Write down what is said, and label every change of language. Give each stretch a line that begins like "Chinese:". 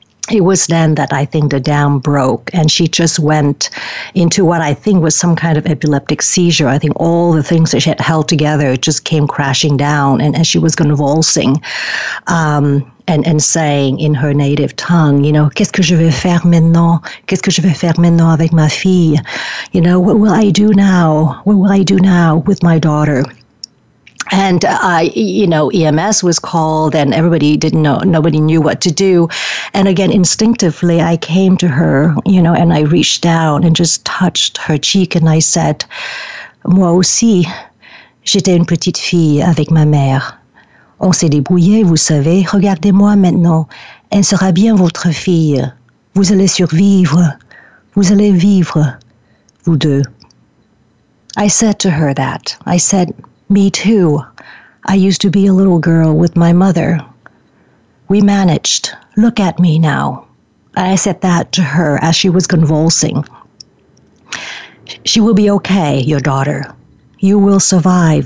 English: It was then that I think the dam broke, and she just went into what I think was some kind of epileptic seizure. I think all the things that she had held together just came crashing down, and she was convulsing and saying in her native tongue, you know,
French: qu'est-ce que je vais faire maintenant? Qu'est-ce que je vais faire maintenant avec ma fille?
English: You know, what will I do now? What will I do now with my daughter? And, you know, EMS was called and everybody didn't know, nobody knew what to do. And again, instinctively, I came to her, you know, and I reached down and just touched her cheek. And I said,
French: moi aussi, j'étais une petite fille avec ma mère. On s'est débrouillé, vous savez, regardez-moi maintenant. Elle sera bien votre fille. Vous allez survivre. Vous allez vivre, vous deux.
English: I said to her that. I said, me too. I used to be a little girl with my mother. We managed. Look at me now. I said that to her as she was convulsing. She will be okay, your daughter. You will survive.